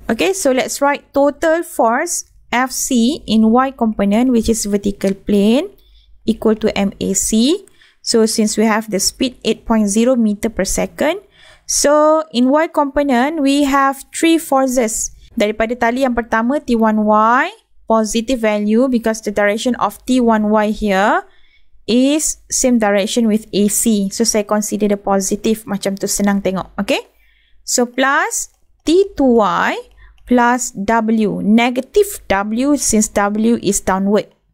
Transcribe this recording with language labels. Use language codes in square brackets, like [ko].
[en] Okay, so let's write total force Fc in Y component, which is vertical plane, equal to Mac. So since we have the speed 8.0 meter per second. So in Y component, we have three forces. [ms] Daripada tali yang pertama, T1Y. [en] Positive value because the direction of T1Y here is same direction with AC. So, [ms] saya [en] consider the positive. [ms] Macam tu senang tengok. [en] Okay. So, plus T2Y plus W. Negative W since W is downward.